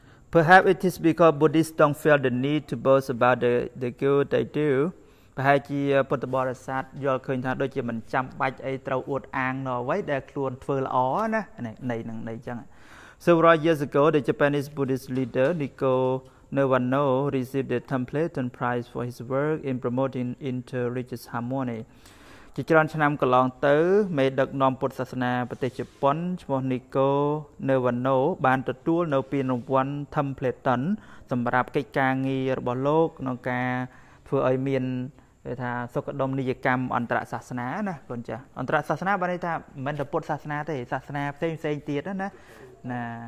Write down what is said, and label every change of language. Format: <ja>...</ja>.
<en>Perhaps it is because Buddhists don't feel the need to boast about the good they do</en> <km>ប្រហែលជាពុទ្ធបរិស័ទយល់ឃើញថាដូចជាមិនចាំបាច់អីត្រូវអួតអាងនៅអ្វីដែលខ្លួនធ្វើល្អណានេះនៃនឹងនៃអញ្ចឹង</km> <en>Several years ago the Japanese Buddhist leader Nico Nirvana received the Templeton Prize for his work in promoting inter-religious harmony.</en> <km>ជាច្រើនឆ្នាំកន្លងទៅមេដឹកនាំពុទ្ធសាសនាប្រទេសជប៉ុនឈ្មោះ Nico Nirvana បានទទួលនៅពានរង្វាន់ Templeton សម្រាប់កិច្ចការងាររបស់លោកក្នុងការធ្វើឲ្យមានគេថាសុខដុមនីយកម្មអន្តរសាសនាណាបងចាស់អន្តរសាសនាបានន័យថាមិនតែពុទ្ធសាសនាទេសាសនាផ្សេងៗទៀតណាណា</km>